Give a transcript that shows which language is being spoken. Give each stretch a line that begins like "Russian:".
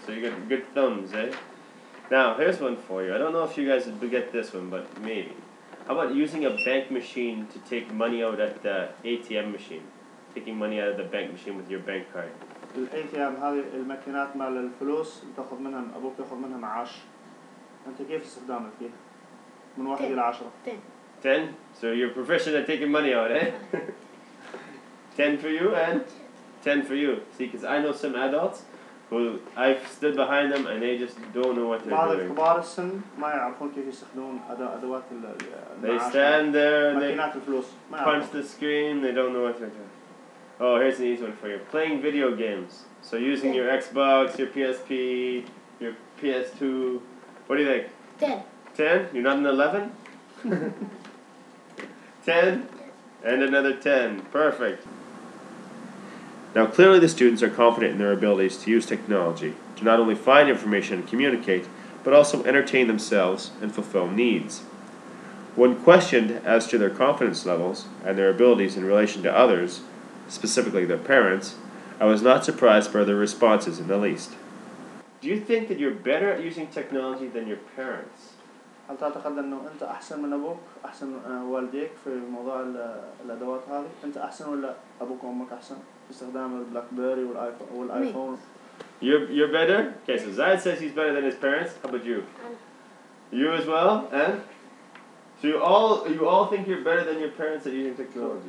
English: So you got good thumbs, eh? Now, here's one for you. I don't know if you guys would get this one, but maybe. How about using a bank machine to take money out at the ATM machine? Taking money out of the bank machine with your bank card.
Arabic: الATM هذه الماكينات مال الفلوس تاخذ منها ابوك ياخذ منها معاش. انت كيف استخدامك فيها؟ من 1 الى 10.
English: 10. 10. So you're proficient at taking money out, eh? 10 for you and 10 for you. See, because I know some adults who I've stood behind them and they just don't know what they're doing.
Arabic: كبار السن ما يعرفون كيف يستخدمون أدوات ال.
English: They stand there. They punch the screen. They don't know what they're doing. Oh, here's an easy one for you. Playing video games. So using your Xbox, your PSP, your PS2. What do you think? 10. You're not an 11? 10? And another 10. Perfect. Now, clearly the students are confident in their abilities to use technology to not only find information and communicate, but also entertain themselves and fulfill needs. When questioned as to their confidence levels and their abilities in relation to others, specifically their parents, I was not surprised by their responses in the least. Do you think that you're better at using technology than your parents?
Arabic: هل تعتقد أنه أنت أحسن من أبوك أحسن والديك في موضوع الأدوات هذه أنت أحسن ولا أبوك وأمك أحسن في استخدام البلاك بيري والآيفون؟
English: You're better. Okay, so Zayed says he's better than his parents. How about you? You as well. And so you all think you're better than your parents at using technology.